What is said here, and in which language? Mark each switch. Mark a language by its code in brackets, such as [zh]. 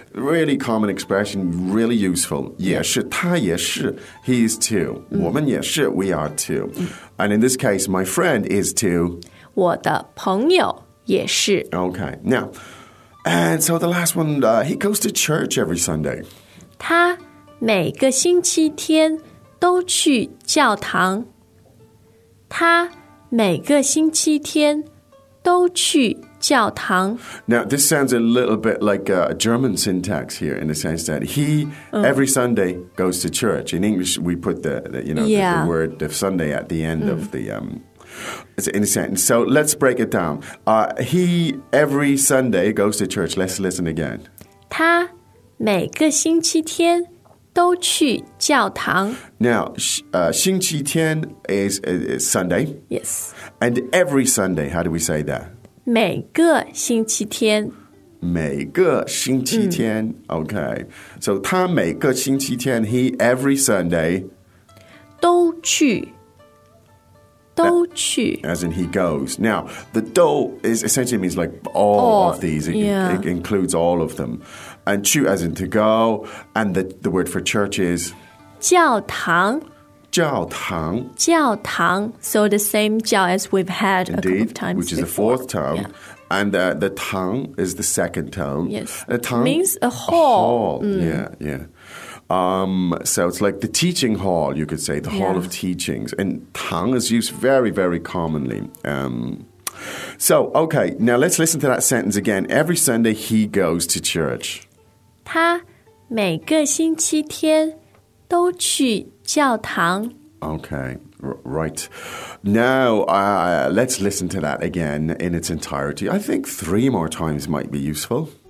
[en] Really common expression, really useful. [zh] 也是, 他也是, [en] he is too. [zh] 我们也是, [en] we are too. And in this case, my friend is too. [zh] 我的朋友也是. [en] Okay, now, and so the last one, he goes to church every Sunday. [zh] 他每个星期天都去教堂. 他每个星期天 都去教堂. [en] Now, this sounds a little bit like a German syntax here, in the sense that he, every Sunday, goes to church. In English, we put the word of Sunday at the end of the, in a sentence. So let's break it down. He, every Sunday, goes to church. Let's listen again. [zh] 他每个星期天 都去教堂. [en] Now, 星期天 is Sunday. Yes. And every Sunday, how do we say that? [zh] 每个星期天. 每个星期天. [en] Okay. So, [zh] 他每个星期天, [en] he every Sunday. [zh] 都去.都去. [en] As in he goes. Now, the 都 is essentially means like all of these. It includes all of them. And 去 as in to go. And the word for church is? [zh] 教堂. 教堂. 教堂. [en] So the same 教 as we've had Indeed, a couple of times which is before. The fourth tone. Yeah. And the 堂 is the second tone. Yes. Tang means a hall. Yeah, yeah. So it's like the teaching hall, you could say, the hall of teachings. And 堂 is used very, very commonly. So, okay, now let's listen to that sentence again. Every Sunday he goes to church. [zh] 他每个星期天都去教堂。 [en] Okay, right. Now, let's listen to that again in its entirety. I think three more times might be useful.